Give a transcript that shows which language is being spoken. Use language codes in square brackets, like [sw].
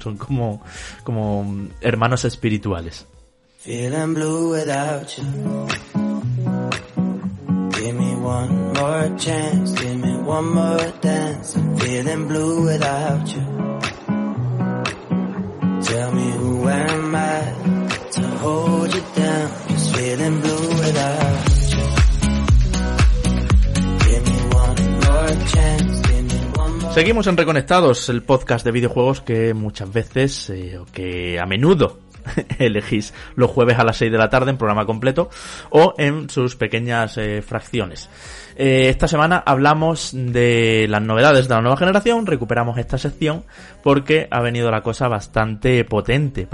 [es] Son como hermanos espirituales. [en] Feeling blue without you. Give me one more chance, give me one more dance. Feeling blue without you. Tell me who am I to hold you down. Just feeling blue without you. Give me one more chance. [es] Seguimos en Reconectados, el podcast de videojuegos que muchas veces, o que a menudo, elegís los jueves a las 6 de la tarde en programa completo o en sus pequeñas fracciones. Esta semana hablamos de las novedades de la nueva generación, recuperamos esta sección porque ha venido la cosa bastante potente.